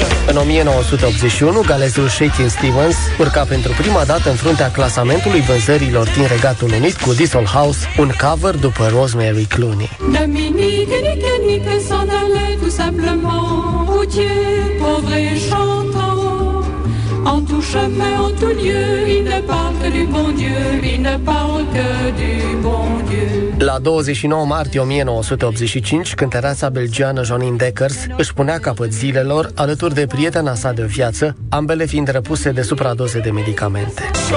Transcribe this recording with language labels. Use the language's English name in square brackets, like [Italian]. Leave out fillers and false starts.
[Romanian] În 1981, galezul Shakin' Stevens urca pentru prima dată în fruntea clasamentului vânzărilor din Regatul Unit cu This Old House, un cover după Rosemary Clooney. [French] Dominique, nique, nique, s'en allait tout simplement, routier, pauvre et chantant. En tout chemin, en tout lieu, il ne parle que du bon Dieu, il ne parle que du bon Dieu. [Romanian] La 29 martie 1985, cântăreața belgiană Jeanine Dekkers își punea capăt zilelor alături de prietena sa de viață, ambele fiind răpuse de supradoze de medicamente.